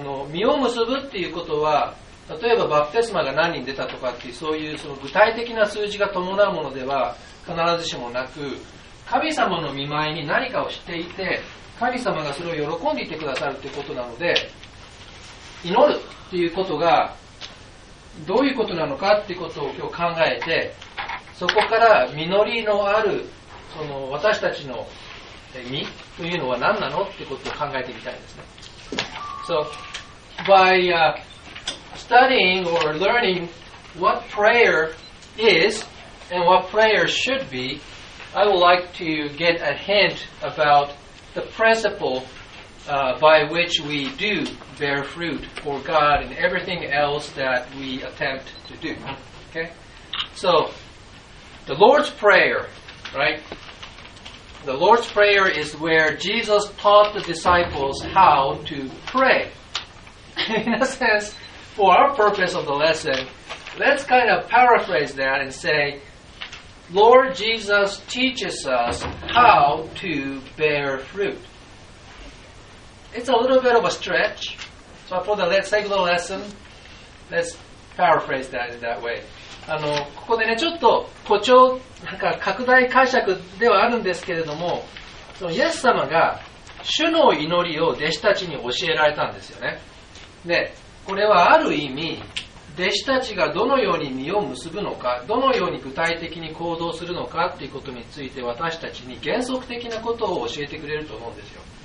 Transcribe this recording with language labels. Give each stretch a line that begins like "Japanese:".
Japanese: 実を結ぶっていうことは、例えばバプテスマが何人出たとかっていう、そういうその具体的な数字が伴うものでは必ずしもなく、神様の御前に何かをしていて、神様がそれを喜んでいてくださるということなので、祈るということがどういうことなのかということを今日考えて、そこから実りのあるその私たちの実というのは何なのということを考えてみたいですね。
English: So, by studying or learning what prayer is and what prayer should be, I would like to get a hint aboutThe principle, by which we do bear fruit for God and everything else that we attempt to do. Okay? So, the Lord's Prayer, right? The Lord's Prayer is where Jesus taught the disciples how to pray. In a sense, for our purpose of the lesson, let's kind of paraphrase that and say, Lord Jesus teaches us how to bear fruit. It's a little bit of a stretch. So for the sake of the lesson, let's paraphrase that in that way.
Japanese: ここでね、ちょっと誇張、なんか拡大解釈ではあるんですけれども、そのイエス様が主の祈りを弟子たちに教えられたんですよね。で、これはある意味、弟子たちがどのように実を結ぶのか、どのように具体的に行動するのかということについて私たちに原則的なことを教えてくれると思うんですよ。